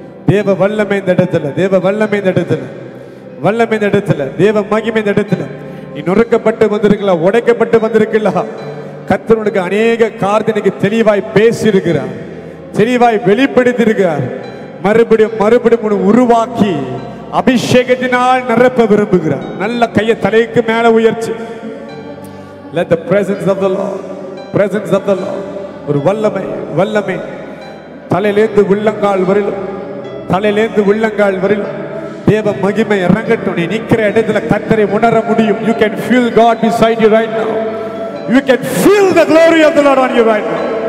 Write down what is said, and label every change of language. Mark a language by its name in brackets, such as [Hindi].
[Tamil] தேவ வல்லமை இந்த இடத்துல, தேவ வல்லமை இந்த இடத்துல, வல்லமை இந்த இடத்துல, தேவ மகிமை இந்த இடத்துல. நீ நொறுக்கப்பட்டு வந்திருக்கலாம், உடைக்கப்பட்டு வந்திருக்கலாம். கர்த்தருக்கு அநேக காரியத்தை தெளிவாய் பேசியிருக்கிறார், தெளிவாய் வெளிப்படுத்தியிருக்கிறார். மறுபடியும் உருவாக்கி அபிஷேகத்தினால் நிரப்ப விரும்புகிறார். நல்ல கையை தலைக்கு மேல உயர்த்தி, [English] Let the presence of the Lord, presence of the Lord. [Tamil] ஒரு வல்லமை, வல்லமை தலையிலேந்து உள்ளங்கால் வரிலும், தலையிலேந்து உள்ளங்கால் வரிலும் தேவ மகிமை இறங்கட்டும். நீ நிற்கிற இடத்துல கர்த்தரை உணர முடியும். [English] You can feel God beside you right now. You can feel the glory of the Lord on you right now.